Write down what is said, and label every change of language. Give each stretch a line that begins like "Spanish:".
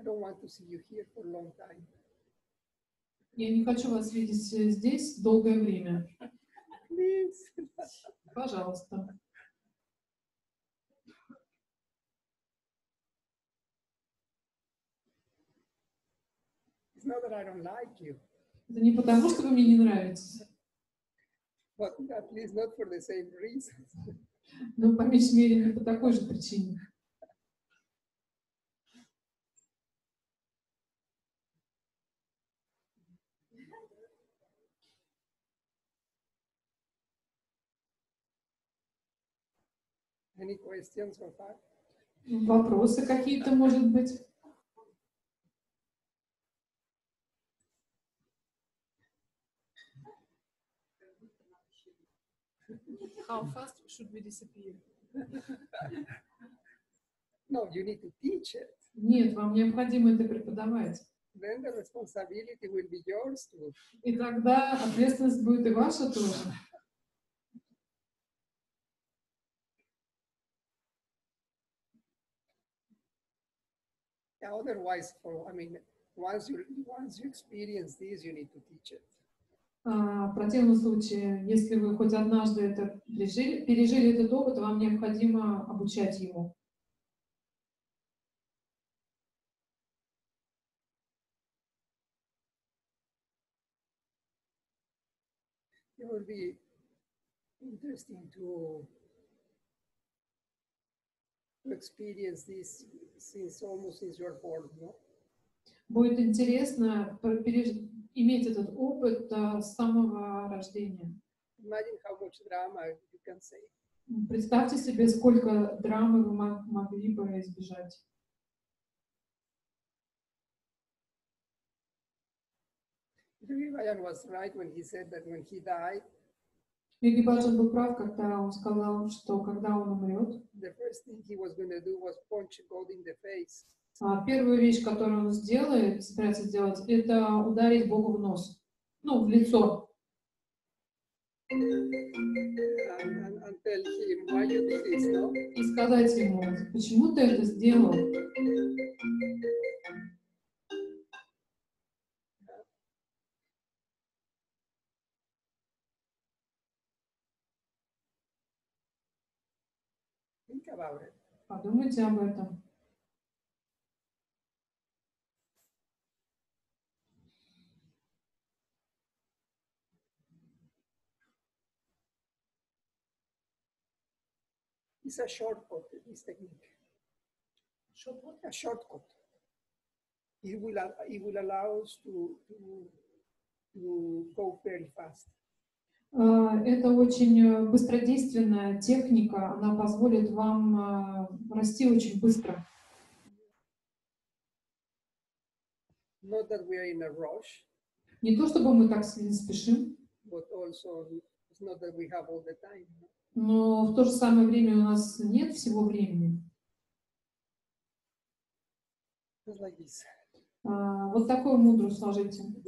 English: I don't want to see you here for a long time.
Russian: Я не хочу вас видеть здесь долгое время. Пожалуйста.
English: It's not that I don't like you.
Russian: Это не потому, что вы мне не нравитесь.
English: But at least not for the same reason.
Russian: Ну, по меньшей мере, не по такой же причине.
English: Any questions so far?
Russian: Вопросы какие-то, может быть?
English: How fast should we disappear? No, you need to teach it.
Russian: Нет, вам необходимо это преподавать.
English: Then the responsibility will be yours too.
Russian: И тогда ответственность будет и ваша тоже.
English: Otherwise, once you experience this, you need to teach it.
Russian: В противном случае, если вы хоть однажды это пережили этот опыт, вам необходимо обучать его.
English: It would be interesting to experience this since you are born, no?
Russian: Будет интересно иметь этот опыт с самого рождения.
English: Imagine how much drama you can say.
Russian: Представьте себе, сколько драмы вы могли бы избежать.
English: Юрий Баян was right when he said that when he died.
Russian: Юрий Баян был прав, когда он сказал, что когда он умрет,
English: the first thing he was going to do was punch God in the face.
Russian: Первая вещь, которую он сделает, собирается делать, это ударить Богу в нос. Ну, в лицо.
English: And tell him, why you do this, no?
Russian: И сказать ему, почему ты это сделал?
English: Yeah. Think about it.
Russian: Подумайте об этом.
English: It's a shortcut, this technique. Shortcut? A shortcut. It will allow us to go very fast.
Russian: Это очень быстродейственная техника, она позволит вам расти очень быстро.
English: Not that we are in a rush,
Russian: не то чтобы мы так сильно спешим,
English: but also it's not that we have all the time.
Russian: Но в то же самое время у нас нет всего времени.
English: Just like this.
Russian: Вот такую мудру сложите.